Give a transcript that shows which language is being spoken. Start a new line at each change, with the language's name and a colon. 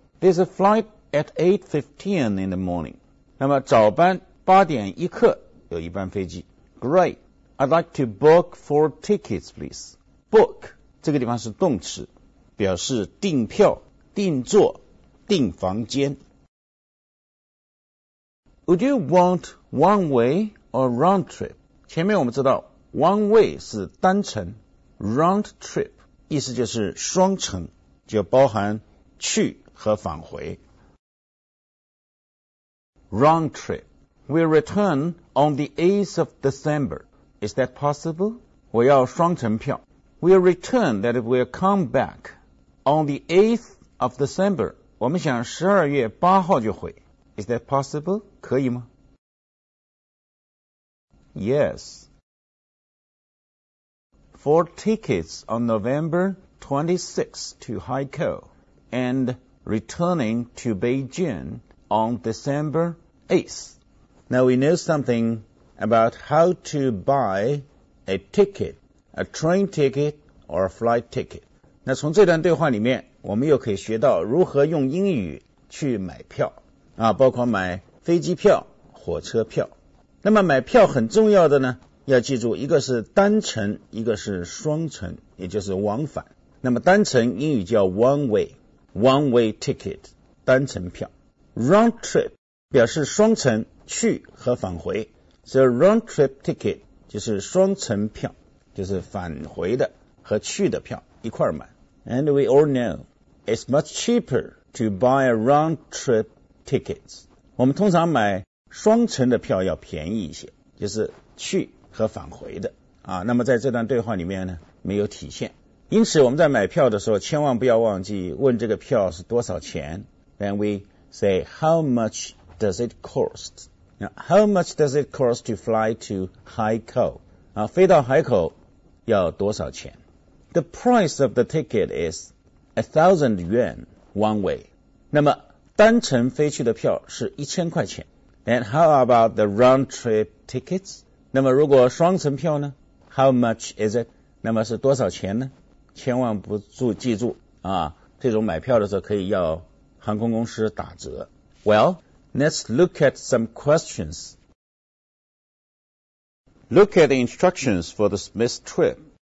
English: There's a flight at 8:15 in the morning.
Chinese: 那么早班8:01有一班飞机。
English: Great. I'd like to book 4 tickets, please.
Chinese: Book 这个地方是动词，表示订票、订座、订房间。
English: Would you want one way or round trip?
Chinese: 前面我们知道 one way 是单程
English: round trip
Chinese: 意思就是双程就包含去和返回
English: round trip We'll return on the 8th of December Is that possible?
Chinese: 我要双程票
English: We'll return that it will come back On the 8th of December
Chinese: 我们想12月8号就回
English: Is that possible?
Chinese: 可以吗?
English: Yes. 4 tickets on November 26th to Haikou and returning to Beijing on December 8th. Now we know something about how to buy a ticket, a train ticket or a flight ticket.
Chinese: 那从这段对话里面我们又可以学到如何用英语去买票。啊，包括买飞机票、火车票。那么买票很重要的呢，要记住一个是单程，一个是双程，也就是往返。那么单程英语叫 one way
English: ticket，
Chinese: 单程票。Round trip 表示双程去和返回
English: ，so round trip ticket
Chinese: 就是双程票，就是返回的和去的票一块买。
English: And we all know it's much cheaper to buy a round trip. Tickets.
Chinese: 我们通常买双程的票要便宜一些，就是去和返回的啊。那么在这段对话里面呢，没有体现。因此我们在买票的时候，千万不要忘记问这个票是多少钱。
English: Then we say, how much does it cost? Now, how much does it cost to fly to Haikou?
Chinese: 啊，飞到海口要多少钱
English: ？The price of the ticket is 1,000 yuan one way.
Chinese: 那么单程飞去的票是1000块钱。
English: And how about the round trip tickets?
Chinese: 那么如果双程票呢?
English: How much is it?
Chinese: 那么是多少钱呢? 千万不住记住啊，这种买票的时候可以要航空公司打折。
English: Well, let's look at some questions. Look at the instructions for the Smith trip.